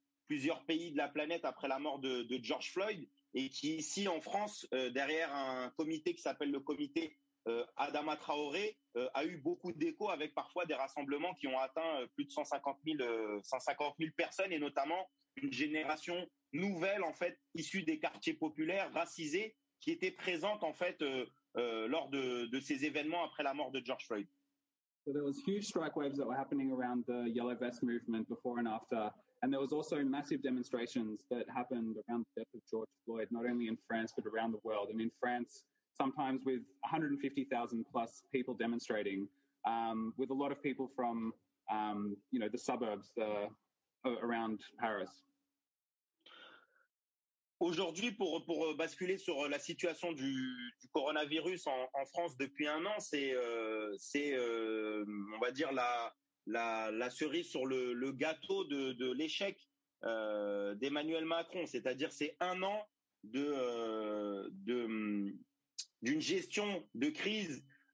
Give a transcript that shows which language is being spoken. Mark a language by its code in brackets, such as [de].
[fr] Plusieurs pays de la planète après la mort de George Floyd et qui ici en France, derrière un comité qui s'appelle le comité Adama Traoré, a eu beaucoup d'écho avec parfois des rassemblements qui ont atteint plus de 150 000 personnes et notamment une génération nouvelle en fait issue des quartiers populaires racisés qui était présente en fait lors de ces événements après la mort de George Floyd. [en] So there was huge strike waves that were happening around the Yellow Vest movement before and after. And there was also massive demonstrations that happened around the death of George Floyd, not only in France, but around the world. And in France, sometimes with 150,000 plus people demonstrating, with a lot of people from the suburbs around Paris. [fr] Aujourd'hui, pour basculer sur la situation du coronavirus en France depuis un an, c'est on va dire la cerise sur le gâteau de l'échec d'Emmanuel Macron, c'est-à-dire c'est un an d'une gestion de crise,